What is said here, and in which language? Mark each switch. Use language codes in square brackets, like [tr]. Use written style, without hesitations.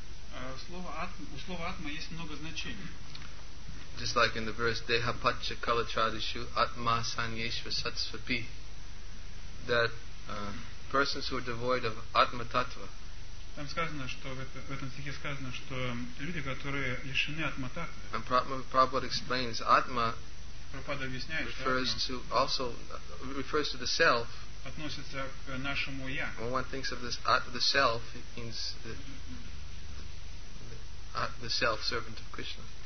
[ru] У слова атма есть много значений. [en] Just like in the verse [sa] Deha Paccha Kala Tradishu Atma Sanyeshva Satsvapi, [en] that persons who are devoid of Atma Tattva. [ru] Там сказано, что в этом стихе сказано, что люди, которые лишены Атма Таттвы. [en] And Prabhupada explains Atma refers to also refers to the self. [ru] Относится к нашему я. [en] When one thinks of this the self, it means the self servant of Krishna.